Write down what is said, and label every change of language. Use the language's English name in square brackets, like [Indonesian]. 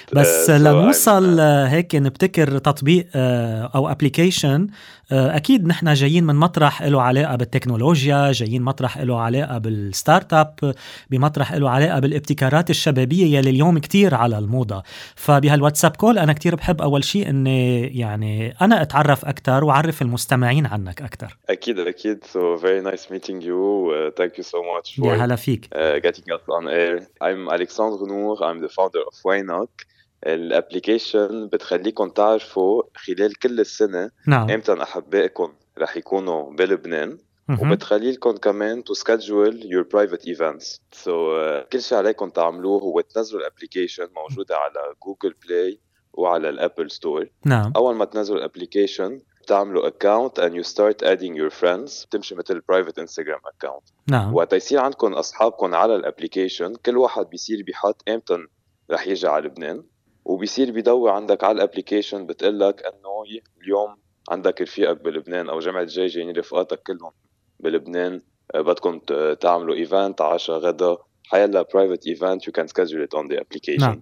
[Arabic] بس لنوصل هيك نبتكر تطبيق او ابليكيشن، اكيد نحن جايين من مطرح له علاقه بالتكنولوجيا، جايين مطرح له علاقه بالستارت اب، بمطرح له علاقه بالابتكارات الشبابيه يلي اليوم كتير على الموضه. فبهالواتساب كول انا كتير بحب اول شيء اني يعني انا اتعرف اكثر واعرف المستمعين عنك اكثر. اكيد اكيد. [English] So very nice meeting you. Thank you so much for getting us on air. I'm Alexandre Nour. I'm the founder of Wynock. [Arabic] الابليكيشن بتخليكم تعرفوا خلال كل السنة امتى احبائكم رح يكونوا بلبنان، وبتخلي لكم كمان [English] to schedule your private events. [Arabic] So كل شيء عليكم تعملوه هو تنزلوا الابليكيشن، موجودة على جوجل بلاي وعلى الابل ستور. اول ما تنزلوا الابليكيشن تعملوا account [English] and you start adding your friends، [Arabic] تمشي مثل private Instagram account. وتيصير عندكم أصحابكم على الابليكيشن، كل واحد بيصير بيحط امتى رح يجي على لبنان، وبيصير بيدور عندك على الابليكيشن بتقلك انه اليوم عندك رفيقك بلبنان او جمعة جاي جايين رفقاتك كلهم بلبنان، بدكم تعملوا event، عشاء، غدا، حيالله private event، [English] you can schedule it on the application.